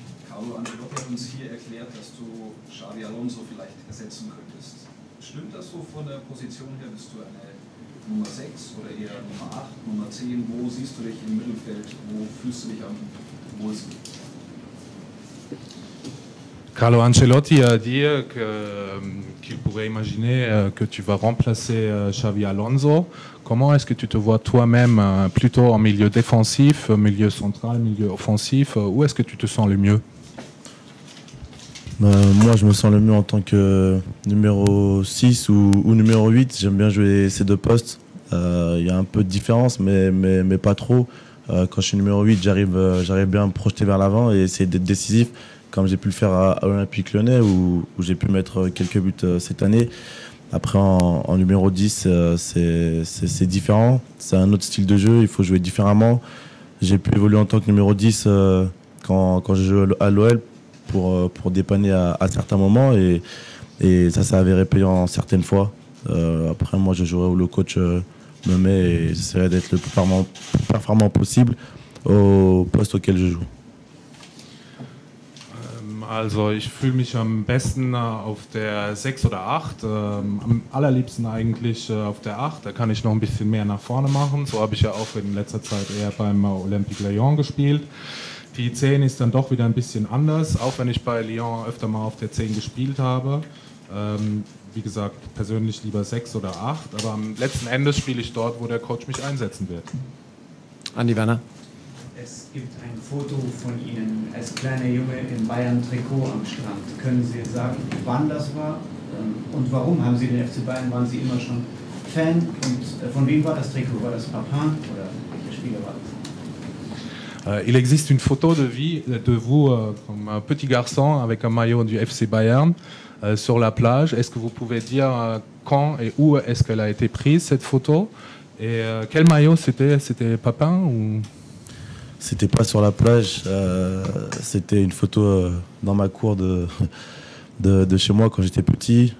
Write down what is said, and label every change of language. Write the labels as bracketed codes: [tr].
[de] Carlo Ancelotti hat uns hier erklärt, dass du Xabi Alonso vielleicht ersetzen könntest. Stimmt das so von der Position her? Bist du eine Nummer 6 oder eher Nummer 8, Nummer 10? Wo siehst du dich im Mittelfeld? Wo fühlst du dich am wohlsten? [fr] Carlo Ancelotti a dit que, qu'il pourrait imaginer que tu vas remplacer Xavi Alonso. Comment est-ce que tu te vois toi-même plutôt en milieu défensif, milieu central, milieu offensif? Où est-ce que tu te sens le mieux? Moi, je me sens le mieux en tant que numéro 6 ou numéro 8. J'aime bien jouer ces deux postes. Il y a un peu de différence, mais pas trop. Quand je suis numéro 8, j'arrive bien à me projeter vers l'avant et essayer d'être décisif. Comme j'ai pu le faire à Olympique Lyonnais, où j'ai pu mettre quelques buts cette année. Après, en numéro 10, c'est différent. C'est un autre style de jeu, il faut jouer différemment. J'ai pu évoluer en tant que numéro 10 quand je joue à l'OL pour dépanner à certains moments. Et ça s'est avéré payant certaines fois. Après, moi, je jouerai où le coach me met et j'essaierai d'être le plus performant possible au poste auquel je joue. [de] Also ich fühle mich am besten auf der 6 oder 8, am allerliebsten eigentlich auf der 8. Da kann ich noch ein bisschen mehr nach vorne machen. So habe ich ja auch in letzter Zeit eher beim Olympique Lyon gespielt. Die 10 ist dann doch wieder ein bisschen anders, auch wenn ich bei Lyon öfter mal auf der 10 gespielt habe. Wie gesagt, persönlich lieber 6 oder 8, aber am letzten Endes spiele ich dort, wo der Coach mich einsetzen wird. Andi Werner. Es gibt ein Foto von Ihnen als kleiner Junge im Bayern-Trikot am Strand. Können Sie sagen, wann das war und warum haben Sie den FC Bayern? Waren Sie immer schon Fan? Und von wem war das Trikot? War das Papin oder welcher Spieler war das? [fr] Il existe une photo de vous comme un petit garçon avec un maillot du FC Bayern sur la plage. Est-ce que vous pouvez dire quand et où est-ce qu'elle a été prise, cette photo? Et quel maillot c'était? C'était Papin ou... C'était pas sur la plage, c'était une photo dans ma cour de chez moi quand j'étais petit.